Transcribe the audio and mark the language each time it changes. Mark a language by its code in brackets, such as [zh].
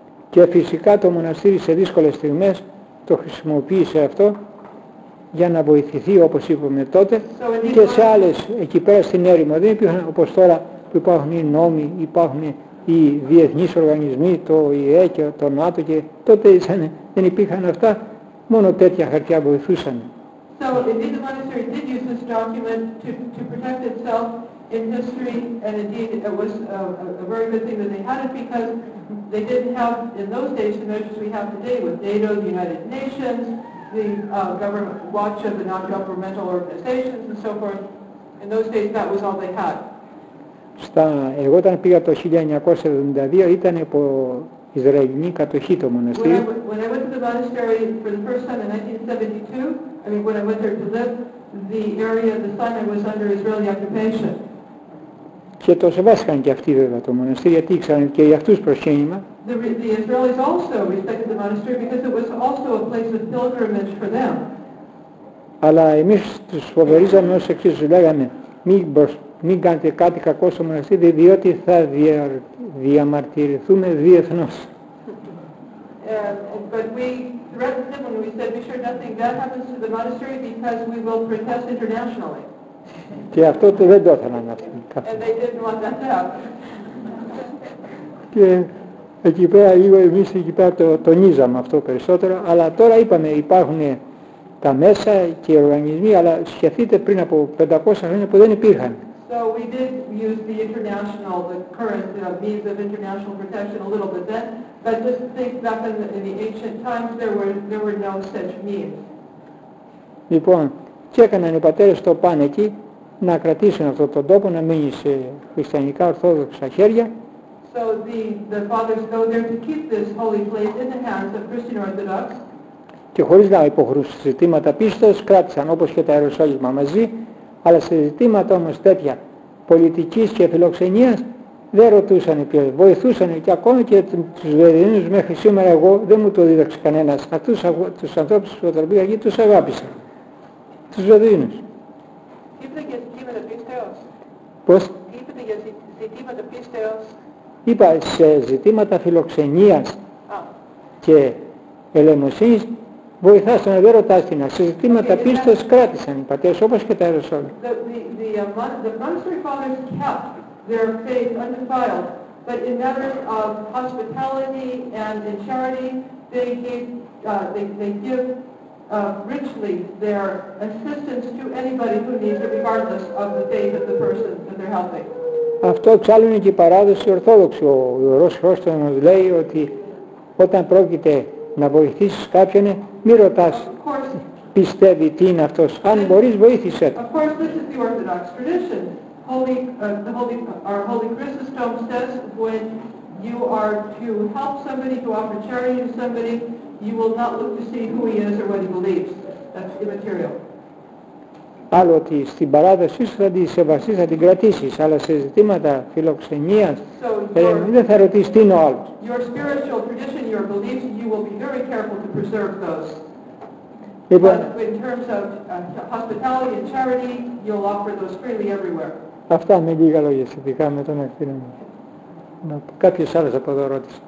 [el] Και φυσικά το μοναστήρι σε δύσκολες στιγμές το χρησιμοποίησε αυτό για να βοηθηθεί όπως είπαμε τότε και σε άλλες εκεί πέρα στην έρημο. Δεν υπήρχαν όπως τώρα που υπάρχουν οι νόμοι, υπάρχουν οι διεθνείς οργανισμοί, το ΙΕ και το ΝΑΤΟ και τότε ήσανε, δεν υπήρχαν αυτά, μόνο τέτοια χαρτιά βοηθούσαν. [en] So, indeed, the monastery did use this document to protect itself in history, and indeed, it was a very good thing that they had it because they didn't have, in those days, the measures we have today with NATO, the United Nations, the government watch of the non-governmental organizations, and so forth. In those days, that was all they had. [el] Εγώ όταν πήγα το 1972 ήταν από Ισραηλινή κατοχή το μοναστήρι. [en] When I went to the monastery for the first time in 1972, I mean when I went there to live, the area of the site was under Israeli occupation. [el] Και το σεβάστηκαν και αυτοί βέβαια το μοναστήρι γιατί ήξεραν και για αυτούς προσκύνημα. [en] The Israelis also respected the monastery because it was also a place of pilgrimage for them. [el] Αλλά εμείς τους φοβερίζαμε ως εξής, τους λέγαμε μην κάνετε κάτι κακό στο μοναστήρι, διότι θα διαμαρτυρηθούμε διεθνώς. [en] But we threatened them and we said, be sure nothing bad happens to the monastery because we will protest internationally. [el] Και αυτό το δεν το ήθελαν να πούν. [en] And they didn't want that to happen. [el] Και εκεί πέρα λίγο εμείς εκεί πέρα το τονίζαμε αυτό περισσότερο, αλλά τώρα είπαμε υπάρχουν τα μέσα και οι οργανισμοί, αλλά σκεφτείτε πριν από 500 χρόνια που δεν υπήρχαν. [en] So we did use the international, the current means of international protection a little bit then, but just think back in the ancient times there were no such means. [el] Λοιπόν, και έκαναν οι πατέρες το πάνε εκεί να κρατήσουν αυτό τον τόπο, να μείνει σε χριστιανικά ορθόδοξα χέρια. [en] So the fathers go there to keep this holy place in the hands of Christian Orthodox. [el] Και χωρίς να υποχωρούσουν στις ζητήματα πίστος, κράτησαν όπως και τα Ιεροσόλυμα μαζί. Αλλά σε ζητήματα όμως τέτοια πολιτικής και φιλοξενίας δεν ρωτούσαν ποιος, βοηθούσαν και ακόμα και τους Βεδινούς μέχρι σήμερα εγώ δεν μου το δίδαξε κανένας. Αυτούς τους ανθρώπους που τα πήγα εκεί τους αγάπησα. Τους Βεδινούς. Είπατε για ζητήματα πίστεως. Πώς. Είπατε για ζητήματα πίστεως. Είπα σε ζητήματα φιλοξενίας και ελεημοσύνης. Βοηθάς τον εδώ ρωτάς την σε ζητήματα okay, πίστος κράτησαν οι πατέρες όπως και τα Ιεροσόλυμα. [en] The monastery fathers kept their faith undefiled, but in matters of hospitality and in charity, they give richly their assistance to anybody who needs it, regardless of the faith of the person that they're helping. [el] Αυτό εξάλλου είναι και η παράδοση ορθόδοξη. Ο Ιερός Χρόστονος λέει ότι όταν πρόκειται να βοηθήσεις κάποιον, μη ρωτάς πιστεύει τι είναι αυτός, αν μπορείς βοήθησέ του. [en] Of course this is the Orthodox tradition. Our Holy Chrysostom says when you are to help somebody, to offer charity to somebody, you will not look to see who he is or what he believes. That's immaterial. [el] Άλλο ότι στην παράδοσή σου θα τη σεβαστείς, θα την κρατήσεις, αλλά σε ζητήματα φιλοξενίας δεν θα ρωτήσεις τι είναι ο άλλος. [en] Your spiritual tradition, your beliefs, you will be very careful to preserve those. [el] Λοιπόν, [en] but in terms of hospitality and charity, you'll offer those freely everywhere. [el] Αυτά με λίγα λόγια σχετικά με τον Ακτίνα μου. Κάποιες άλλες από εδώ ρώτησες.